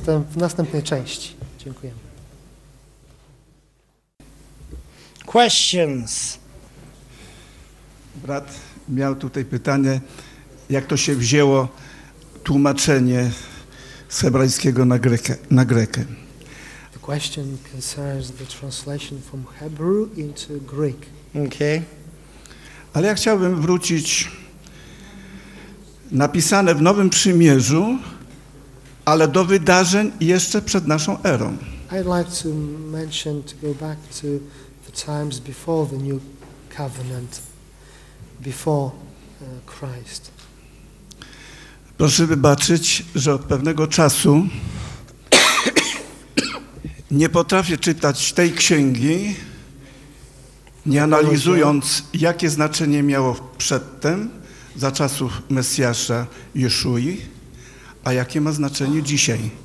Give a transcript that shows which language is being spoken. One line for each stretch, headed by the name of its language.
Polish: W następnej części. Dziękujemy.
English: Questions.
Polish: Brat miał tutaj pytanie, jak to się wzięło tłumaczenie z hebrajskiego na grekę.
English: The question concerns the translation from Hebrew into Greek. Okay.
Polish: Ale ja chciałbym wrócić napisane w Nowym Przymierzu, ale do wydarzeń jeszcze przed naszą erą.
English: I'd like to mention to go back to the times before the new covenant, before Christ.
Polish: Proszę wybaczyć, że od pewnego czasu nie potrafię czytać tej księgi, nie analizując, jakie znaczenie miało przedtem, za czasów Mesjasza Jeszui, a jakie ma znaczenie dzisiaj.